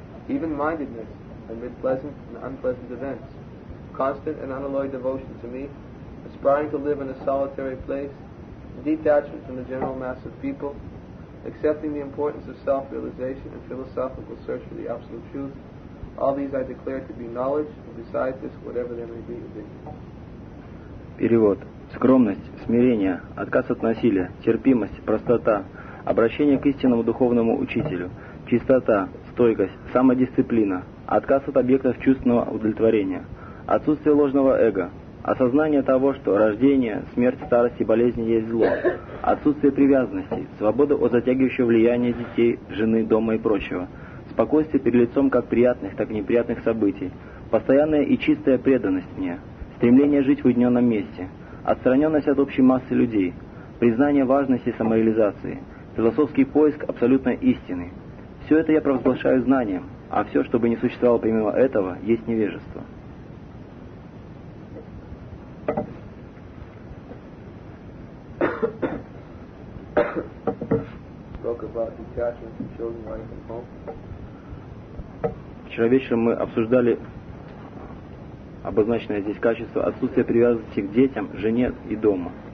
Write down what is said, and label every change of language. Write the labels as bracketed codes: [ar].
[en] even-mindedness amid pleasant and unpleasant events, constant and unalloyed devotion to me, aspiring to live in a solitary place, detachment from the general mass of people, accepting the importance of self-realization and philosophical search for the absolute truth, all these I declare to be knowledge, and besides this, whatever they may be, it is. [ru] Перевод. Скромность, смирение, отказ от насилия, терпимость, простота, обращение к истинному духовному учителю, чистота, стойкость, самодисциплина, отказ от объектов чувственного удовлетворения, отсутствие ложного эго, осознание того, что рождение, смерть, старость и болезни есть зло, отсутствие привязанности, свобода от затягивающего влияния детей, жены, дома и прочего, спокойствие перед лицом как приятных, так и неприятных событий, постоянная и чистая преданность мне, стремление жить в уединенном месте, отстраненность от общей массы людей, признание важности самореализации, философский поиск абсолютной истины. Все это я провозглашаю знанием, а все, что бы не существовало помимо этого, есть невежество. [en] Go talk about detachment from children away from home. [ru] Вчера вечером мы обсуждали обозначенное здесь качество отсутствия привязанности к детям, жене и дому.